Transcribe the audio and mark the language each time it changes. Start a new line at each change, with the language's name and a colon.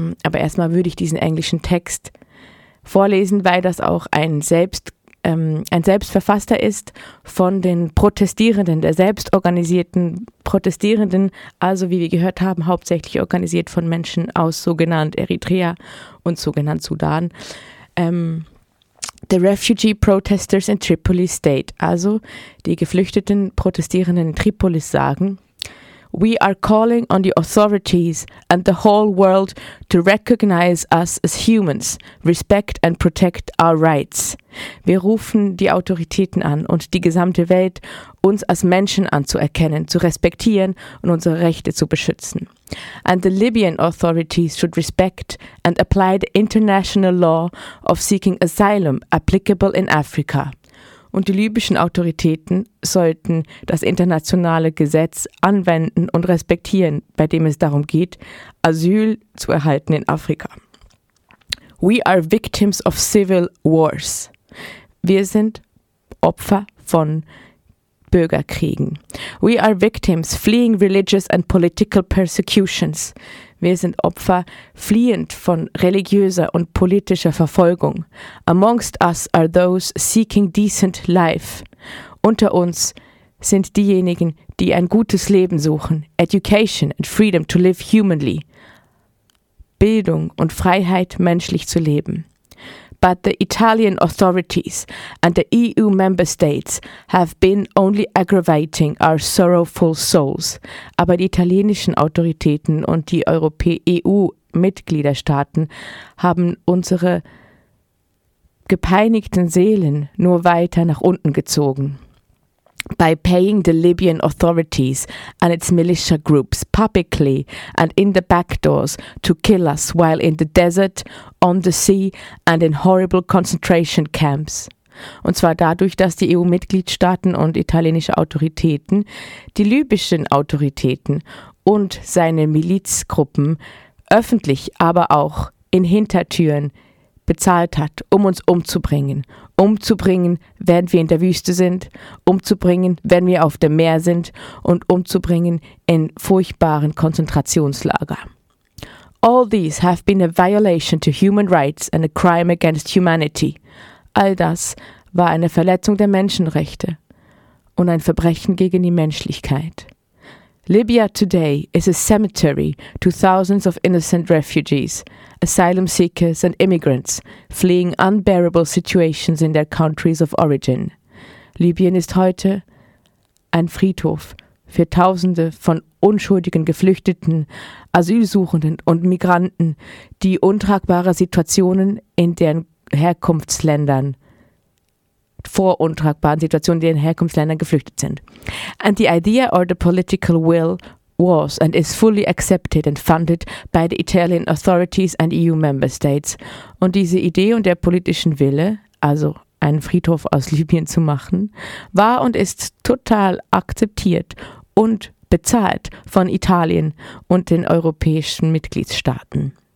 German: Aber erstmal würde ich diesen englischen Text vorlesen, weil das auch ein Selbstverfasster ist von den Protestierenden, der selbstorganisierten Protestierenden, also wie wir gehört haben, hauptsächlich organisiert von Menschen aus sogenannt Eritrea und sogenannt Sudan.
English: The Refugee Protesters in Tripoli State,
German: also die geflüchteten Protestierenden in Tripolis sagen:
English: We are calling on the authorities and the whole world to recognize us as humans, respect and protect our rights.
German: Wir rufen die Autoritäten an und die gesamte Welt, uns als Menschen anzuerkennen, zu respektieren und unsere Rechte zu beschützen.
English: And the Libyan authorities should respect and apply the international law of seeking asylum applicable in Africa.
German: Und die libyschen Autoritäten sollten das internationale Gesetz anwenden und respektieren, bei dem es darum geht, Asyl zu erhalten in Afrika.
English: We are victims of civil wars.
German: Wir sind Opfer von Bürgerkriegen.
English: We are victims fleeing religious and political persecutions.
German: Wir sind Opfer fliehend von religiöser und politischer Verfolgung.
English: Amongst us are those seeking decent life.
German: Unter uns sind diejenigen, die ein gutes Leben suchen,
English: education and freedom to live humanly,
German: Bildung und Freiheit, menschlich zu leben.
English: But the Italian authorities and the EU member states have been only aggravating our sorrowful souls.
German: Aber die italienischen Autoritäten und die EU-Mitgliederstaaten haben unsere gepeinigten Seelen nur weiter nach unten gezogen.
English: By paying the Libyan authorities and its militia groups publicly and in the back doors to kill us while in the desert, on the sea and in horrible concentration camps.
German: Und zwar dadurch, dass die EU-Mitgliedstaaten und italienische Autoritäten die libyschen Autoritäten und seine Milizgruppen öffentlich, aber auch in Hintertüren bezahlt hat, um uns umzubringen. Umzubringen, wenn wir in der Wüste sind, umzubringen, wenn wir auf dem Meer sind und umzubringen in furchtbaren Konzentrationslager.
English: All these have been a violation to human rights and a crime against humanity.
German: All das war eine Verletzung der Menschenrechte und ein Verbrechen gegen die Menschlichkeit.
English: Libya today is a cemetery to thousands of innocent refugees, asylum seekers and immigrants fleeing unbearable situations in their countries of origin.
German: Libyen ist heute ein Friedhof für Tausende von unschuldigen Geflüchteten, Asylsuchenden und Migranten, die untragbare Situationen in deren Herkunftsländern vor untragbaren Situationen, die in Herkunftsländern geflüchtet sind.
English: And the idea or the political will was and is fully accepted and funded by the Italian authorities and EU member states.
German: Und diese Idee und der politischen Wille, also einen Friedhof aus Libyen zu machen, war und ist total akzeptiert und bezahlt von Italien und den europäischen Mitgliedstaaten.